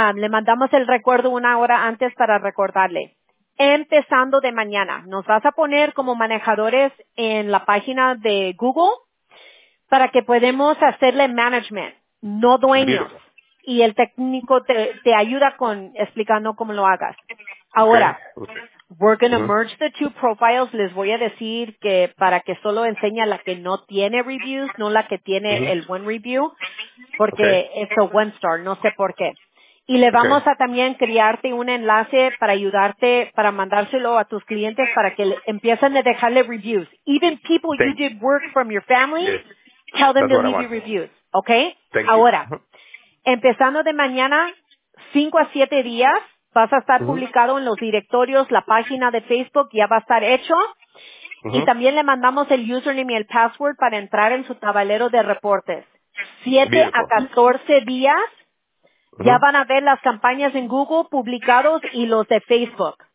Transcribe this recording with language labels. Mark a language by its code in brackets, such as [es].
[es] Le mandamos el recuerdo una hora antes para recordarle. Empezando de mañana, nos vas a poner como manejadores en la página de Google para que podamos hacerle management, no dueños. Y el técnico te ayuda con explicando cómo lo hagas. Ahora, [en] we're going to merge the two profiles. [es] Les voy a decir que para que solo enseñe a la que no tiene reviews, no la que tiene el [en] one review, [es] porque es [en] a one star, [es] no sé por qué. Y le vamos a también crearte un enlace para ayudarte, para mandárselo a tus clientes para que empiecen a dejarle reviews. [en] Even people you did work from your family, tell them That's to leave you reviews. Okay? Thank [es] Ahora, [en] you. [es] Empezando de mañana, 5 a 7 días, vas a estar publicado en los directorios, la página de Facebook ya va a estar hecho. Y también le mandamos el username y el password para entrar en su tablero de reportes. 7 a 14 días, ya van a ver las campañas en Google publicados y los de Facebook.